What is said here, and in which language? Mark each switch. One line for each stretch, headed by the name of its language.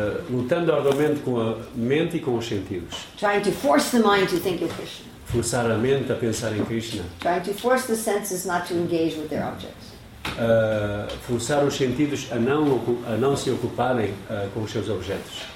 Portuguese: Lutando arduamente com a mente e com os sentidos.
English: Trying to force the mind to think of Krishna.
Portuguese: Forçar a mente a pensar em Krishna.
English: Trying to force the senses not to engage with their objects.
Portuguese: Forçar os sentidos a não se ocuparem com os seus objetos.